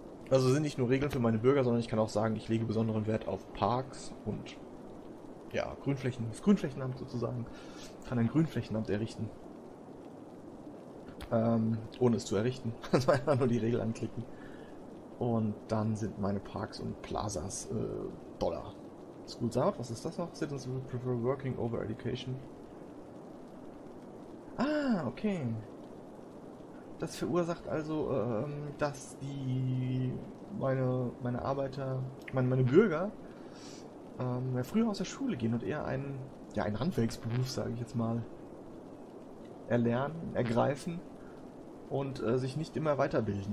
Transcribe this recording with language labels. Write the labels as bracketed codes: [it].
[de] Also sind nicht nur Regeln für meine Bürger, sondern ich kann auch sagen, ich lege besonderen Wert auf Parks und ja, Grünflächen. Das Grünflächenamt sozusagen. Ich kann ein Grünflächenamt errichten. Ohne es zu errichten. Also einfach nur die Regel anklicken. Und dann sind meine Parks und Plazas Dollar. School Out, was ist das noch? [en] Citizens would prefer working over education. Ah, okay. [de] Das verursacht also, dass die meine Arbeiter, meine Bürger mehr früher aus der Schule gehen und eher einen, ja, einen Handwerksberuf, sage ich jetzt mal, ergreifen und sich nicht immer weiterbilden.